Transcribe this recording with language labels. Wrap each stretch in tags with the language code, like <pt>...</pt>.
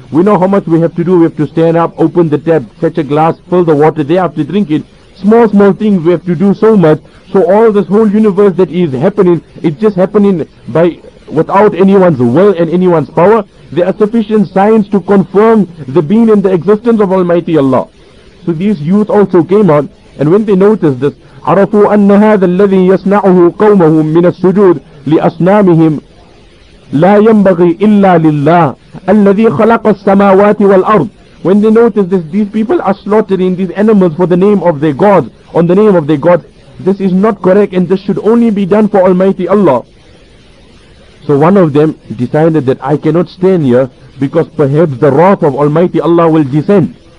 <en>We know how much we have to do. We have to stand up, open the tap, fetch a glass, fill the water, they have to drink it. Small things, we have to do so much. So all this whole universe that is happening, it's just happening by without anyone's will and anyone's power. There are sufficient signs to confirm the being and the existence of Almighty Allah. So these youth also came out, and when they noticed this,</en> <ar>عَرَفُوا أَنَّ هَذَا الَّذِي يَصْنَعُهُ قَوْمَهُمْ مِنَ السُّجُودِ لِأَصْنَامِهِمْ لَا يَنْبَغِي إِلَّا لِلَّهِ الَّذِي خَلَقَ السَّمَاوَاتِ وَالْأَرْضِ.</ar> <en>When they noticed this, these people are slaughtering these animals for the name of their God, on the name of their God. This is not correct, and this should only be done for Almighty Allah. So one of them decided that I cannot stand here, because perhaps the wrath of Almighty Allah will descend.</en>